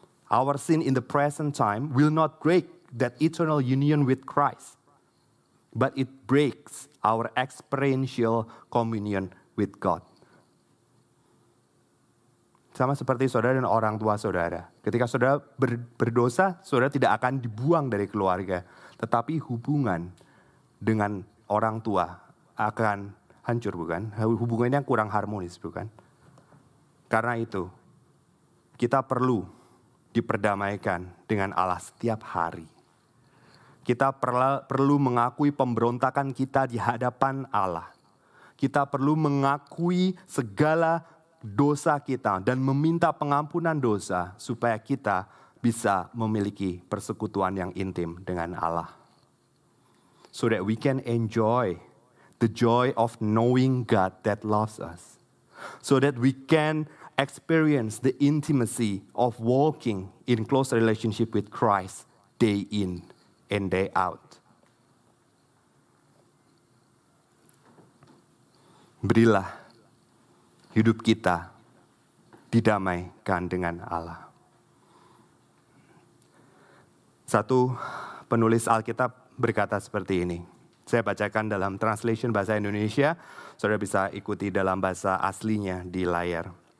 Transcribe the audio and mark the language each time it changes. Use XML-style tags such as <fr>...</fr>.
<en>Our sin in the present time will not break that eternal union with Christ, but it breaks our experiential communion with God.</en> <id>Sama seperti saudara dan orang tua saudara. Ketika saudara berdosa, saudara tidak akan dibuang dari keluarga. Tetapi hubungan dengan orang tua akan hancur, bukan? Hubungannya kurang harmonis, bukan? Karena itu, kita perlu diperdamaikan dengan Allah setiap hari. Kita perlu mengakui pemberontakan kita di hadapan Allah. Kita perlu mengakui segala dosa kita dan meminta pengampunan dosa supaya kita bisa memiliki persekutuan yang intim dengan Allah.</id> <en>So that we can enjoy the joy of knowing God that loves us. So that we can experience the intimacy of walking in close relationship with Christ day in and day out.</en> <id>Berilah hidup kita didamaikan dengan Allah. Satu penulis Alkitab berkata seperti ini. Saya bacakan dalam translation bahasa Indonesia. Saudara bisa ikuti dalam bahasa aslinya di layar.</id>